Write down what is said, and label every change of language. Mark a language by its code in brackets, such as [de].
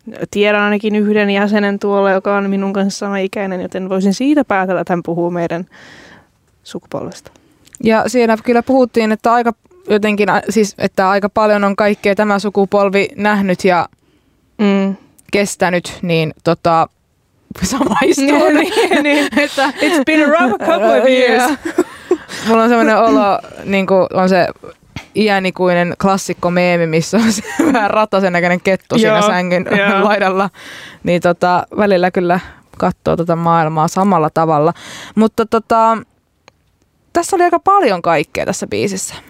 [fi] Tiedän ainakin yhden jäsenen tuolla, joka on minun kanssa sama ikäinen, joten voisin siitä päätellä, että hän puhuu meidän sukupolvesta. Ja siinä kyllä puhuttiin, että aika jotenkin, siis että aika paljon on kaikkea tämä sukupolvi nähnyt ja kestänyt, niin samaistuu. Niin, että [en] it's been a rough couple of years. [fi] Mulla on semmoinen olo, niin kuin on se iänikuinen klassikko meemi, missä on se vähän ratasen näköinen kettu siinä sängyn laidalla. Niin välillä kyllä katsoo tätä maailmaa samalla tavalla. Mutta tässä oli aika paljon kaikkea tässä biisissä.